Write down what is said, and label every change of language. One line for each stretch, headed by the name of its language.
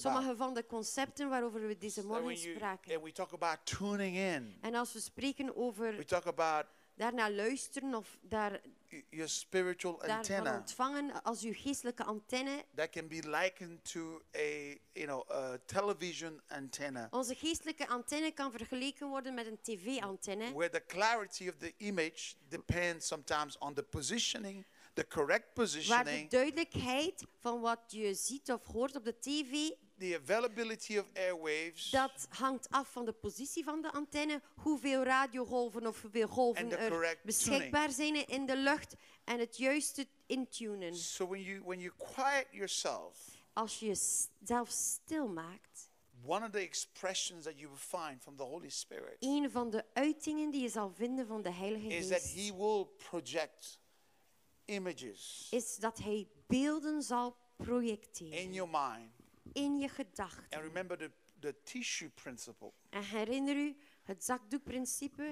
Dutch: Sommige van de concepten waarover we deze morgen spraken.
English: And we talk about tuning in.
Dutch: En als we spreken over.
English: We talk about.
Dutch: Daarna luisteren of daar.
English: Your spiritual antenna.
Dutch: Daarvan ontvangen als uw geestelijke antenne.
English: That can be likened to a, you know, a television antenna.
Dutch: Onze geestelijke antenne kan vergeleken worden met een tv-antenne.
English: Where the clarity of the image depends sometimes on the positioning, the correct positioning.
Dutch: Waar de duidelijkheid van wat je ziet of hoort op de tv.
English: The availability of airwaves.
Dutch: Dat hangt af van de positie van de antenne, hoeveel radiogolven of hoeveel golven er beschikbaar
English: tuning.
Dutch: Zijn in de lucht en het juiste intunen.
English: So when you quiet yourself,
Dutch: als je jezelf stil maakt,
English: one of the expressions that you will find from the Holy Spirit,
Dutch: een van de uitingen die je zal vinden van de Heilige Geest,
English: is that he will project images.
Dutch: Is dat hij beelden zal projecteren
English: in your mind.
Dutch: In je gedachten.
English: And remember the tissue principle.
Dutch: En herinner u het zakdoekprincipe.